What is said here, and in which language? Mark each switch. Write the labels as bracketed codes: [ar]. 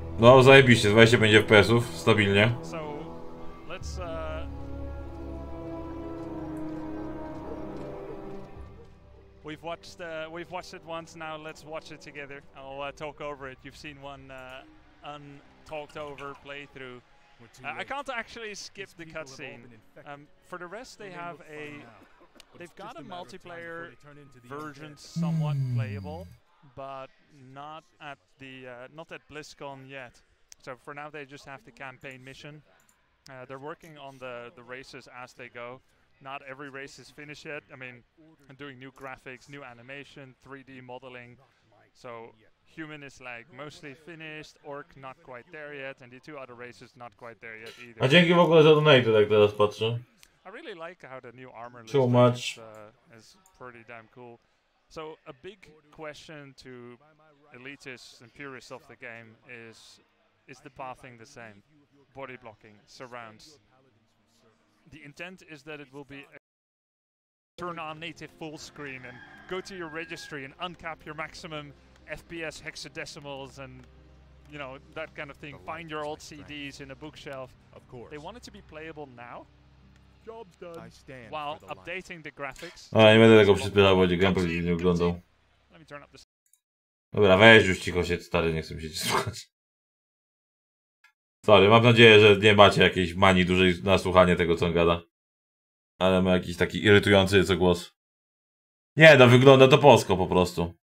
[pl] No, zajebiście, 20 będzie FPS-ów, stabilnie. [en] So, let's We've watched it once, now let's watch it together. I'll talk over it. You've seen one untalked over playthrough. I can't actually skip the cutscene. For the rest, they have a... They've got a multiplayer version somewhat playable, but not at BlizzCon yet. So for now, they just have the campaign mission. They're working on the races as they go. Not every race is finished yet. I mean, I'm doing new graphics, new animation, 3D modeling. So human is like mostly finished, orc not quite there yet, and the two other races not quite there yet either. [pl] A dzięki w ogóle za donate, jak teraz patrzę. [en] I really like how the new armor looks. So much. It's pretty damn cool. So a big question to elitists and purists of the game is the pathing the same? body blocking surrounds. The intent is that it will be turn on native full screen and go to your registry and uncap your maximum FPS hexadecimals and, you know, that kind of thing. Find your old CDs in a bookshelf. Of course. They want it to be playable now. Job's done. I stand while the updating line. The graphics. [pl] A, nie będę tego przyspieszał, bo będzie gameplay nie wyglądał. [en] Let me turn up the... [pl] Dobra, weź już cicho się, stary, nie chcę mi się cię słuchać. Sorry, mam nadzieję, że nie macie jakiejś manii dużej na słuchanie tego, co on gada. Ale ma jakiś taki irytujący co głos. Nie, no wygląda to polsko po prostu.